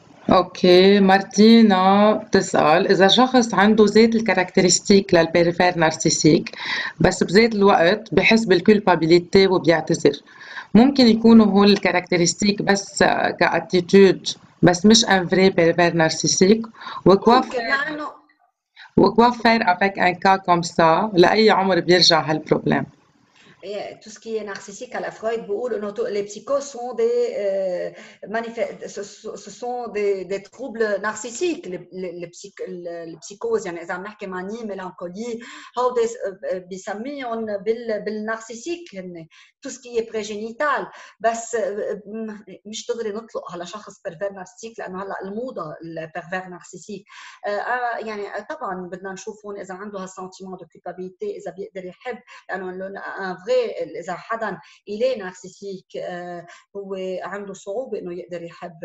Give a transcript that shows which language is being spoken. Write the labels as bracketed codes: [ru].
[ar] اوكي، مارتينا بتسأل، إذا شخص عنده زيت الكاركترستيك للبيريفير نارسيسيك بس بزيت الوقت بحس بالكولبابيليتي وبيعتذر، ممكن يكونوا هول الكاركترستيك بس كأتيتود، بس مش ان فري بيريفير نارسيسيك. ممكن لأنه [fr] وكوا فير افيك ان كا كوم سا، [ar] لأي عمر بيرجع هالبروبليم؟ [fr] tout ce qui est narcissique à la Freud [ar] بيقول انه [fr] les psychoses sont des manifestes ce sont des troubles narcissiques les psychoses. [ar] يعني اذا بنحكي ماني ميلانكولي هو بيسميهم بالنارسيسيك [fr] tout ce qui est prégénital. [ar] بس مش دغري نطلق على شخص بيرفير نارسيسيك، لانه هلا الموضه البيرفير نارسيسيك. يعني طبعا بدنا نشوف هون اذا عنده هالسنتيمون دو كولبابيليتي، اذا بيقدر يحب، لانه اذا حدا إلي نارسيسيك هو عنده صعوبه انه يقدر يحب.